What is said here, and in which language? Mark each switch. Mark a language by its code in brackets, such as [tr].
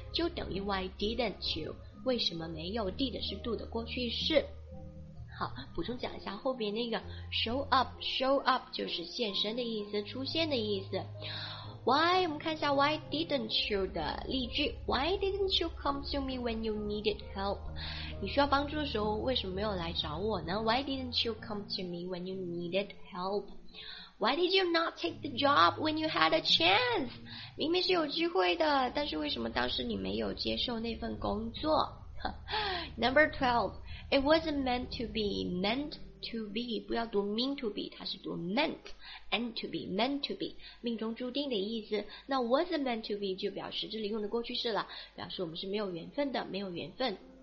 [zh] 就等于 [en] why didn't you? [zh] 为什么没有？did 是 do 的过去式。好，补充讲一下后边那个 show up, show up 就是现身的意思，出现的意思。 Why, 我们看一下 [en] why didn't you [zh] 的例句。 [en] Why didn't you come to me when you needed help? [zh] 你需要帮助的时候为什么没有来找我呢？ [en] Why didn't you come to me when you needed help? Why did you not take the job when you had a chance? [zh] 明明是有机会的，但是为什么当时你没有接受那份工作？ [en] Number 12, it wasn't meant to be, meant to be, [zh] 不要读 [en] mean to be, [zh] 它是读 [en] meant,and to be, meant to be, [zh] 命中注定的意思。那 [en] wasn't meant to be [zh] 就表示这里用的过去式了，表示我们是没有缘分的，没有缘分。